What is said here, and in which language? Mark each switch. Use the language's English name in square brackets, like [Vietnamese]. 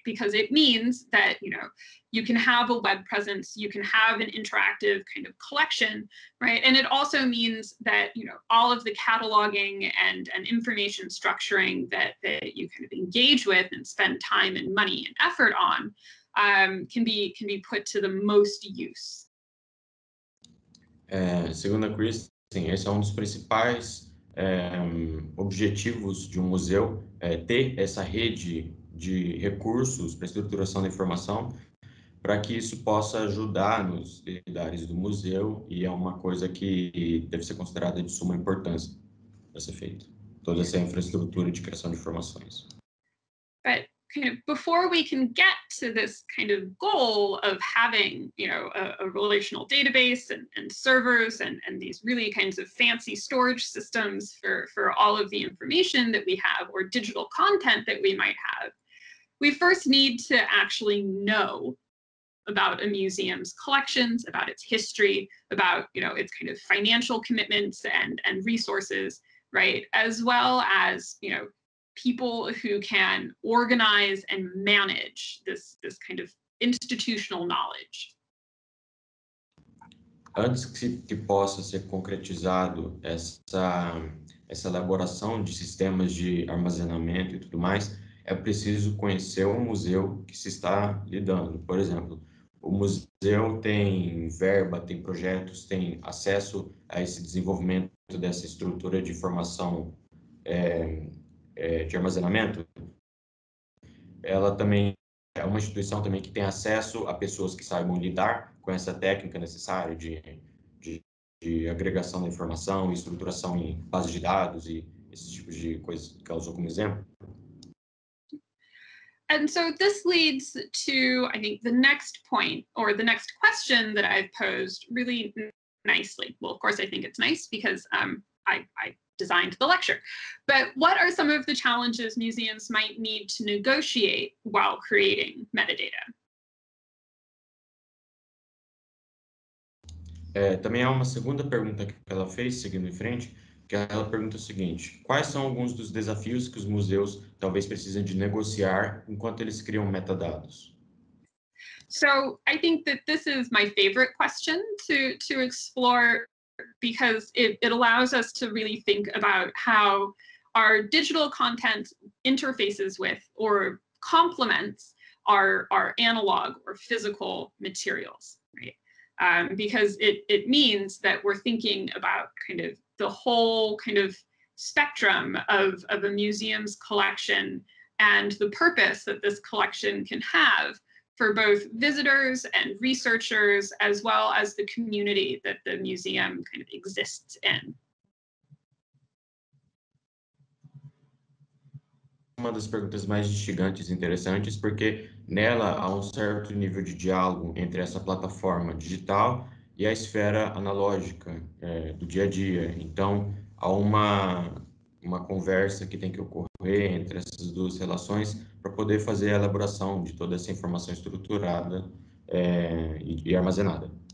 [English] Because it means that, you know, you can have a web presence, you can have an interactive kind of collection, right? And it also means that, you know, all of the cataloging and information structuring that you kind of engage with and spend time and money and effort on can be put to the most use. [Portuguese] Segundo a Kristen, esse é um dos principais objetivos de um museu, ter essa rede de recursos para estruturação da informação, para que isso possa ajudar nos lidares do museu, e é uma coisa que deve ser considerada de suma importância para ser feito. Toda essa infraestrutura de criação de informações. [English] But kind of before we can get to this kind of goal of having, you know, a relational database and servers and these really kinds of fancy storage systems for all of the information that we have or digital content that we might have, we first need to actually know about a museum's collections, about its history, about, you know, its kind of financial commitments and resources, right? As well as, you know, people who can organize and manage this kind of institutional knowledge. [Portuguese] Antes que possa ser concretizado essa elaboração de sistemas de armazenamento e tudo mais, é preciso conhecer o museu que se está lidando. Por exemplo, o museu tem verba, tem projetos, tem acesso a esse desenvolvimento dessa estrutura de informação de armazenamento. Ela também é uma instituição também que tem acesso a pessoas que saibam lidar com essa técnica necessária de agregação da informação, estruturação em bases de dados e esse tipo de coisa que ela usou como exemplo. [English] And so this leads to, I think, the next point or the next question that I've posed really nicely. Well, of course, I think it's nice because I designed the lecture. But what are some of the challenges museums might need to negotiate while creating metadata? [Portuguese] Também há uma segunda pergunta que ela fez, seguindo em frente, que ela pergunta o seguinte: quais são alguns dos desafios que os museus talvez precisem de negociar enquanto eles criam metadados? [English] So, I think that this is my favorite question to explore, because it allows us to really think about how our digital content interfaces with or complements our analog or physical materials, right? Because it means that we're thinking about kind of the whole kind of spectrum of a museum's collection and the purpose that this collection can have for both visitors and researchers, as well as the community that the museum kind of exists in. [Portuguese] Uma das perguntas mais instigantes e interessantes, porque nela há certo nível de diálogo entre essa plataforma digital e a esfera analógica do dia a dia. Então, há uma conversa que tem que ocorrer entre essas duas relações para poder fazer a elaboração de toda essa informação estruturada e armazenada.